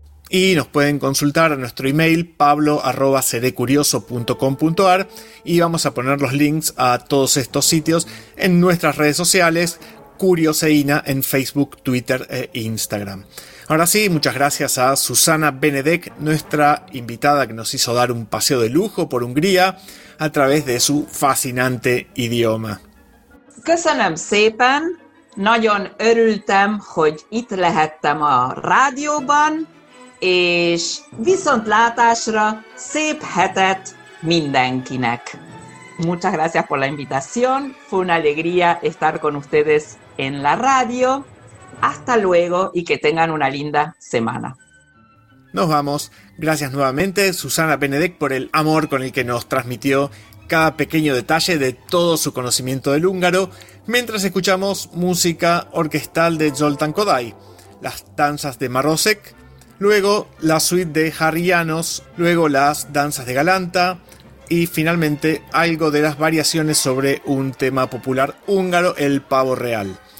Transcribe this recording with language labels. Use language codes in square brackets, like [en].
[es] Y nos pueden consultar a nuestro email pablo@sedecurioso.com.ar y vamos a poner los links a todos estos sitios en nuestras redes sociales, Curioseína en Facebook, Twitter e Instagram. Ahora sí, muchas gracias a Susana Benedek, nuestra invitada que nos hizo dar un paseo de lujo por Hungría a través de su fascinante idioma. [hu] Köszönöm szépen, nagyon örültem, hogy itt lehettem a rádióban. És viszontlátásra, szép hetet mindenkinek. [es] Muchas gracias por la invitación. Fue una alegría estar con ustedes en la radio. Hasta luego y que tengan una linda semana. Nos vamos. Gracias nuevamente, Susana Benedek, por el amor con el que nos transmitió cada pequeño detalle de todo su conocimiento del húngaro, mientras escuchamos música orquestal de Zoltán Kodály, las danzas de Marosek, luego la suite de Harrianos, luego las danzas de Galanta y finalmente algo de las variaciones sobre un tema popular húngaro, el pavo real.